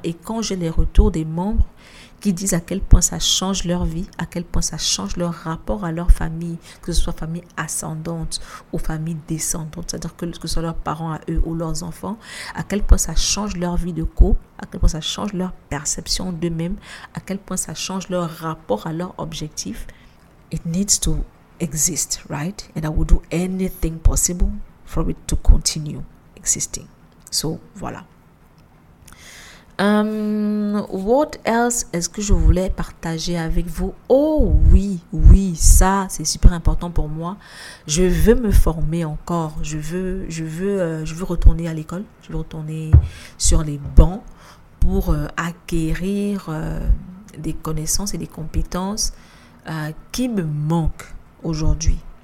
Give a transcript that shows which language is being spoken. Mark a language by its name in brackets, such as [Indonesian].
[French] Et quand j'ai les retours des membres qui disent à quel point ça change leur vie, à quel point ça change leur rapport à leur famille, que ce soit famille ascendante ou famille descendante, c'est-à-dire que ce soit leurs parents à eux ou leurs enfants, à quel point ça change leur vie de couple, à quel point ça change leur perception d'eux-mêmes, à quel point ça change leur rapport à leur objectif, [English] it needs to exist, right? And I would do anything possible for it to continue existing. [French] So, voilà. [English] What else [French] est-ce que je voulais partager avec vous? Oh oui, oui, ça, c'est super important pour moi. Je veux me former encore. Je veux retourner à l'école. Je veux retourner sur les bancs pour acquérir des connaissances et des compétences qui me manquent aujourd'hui.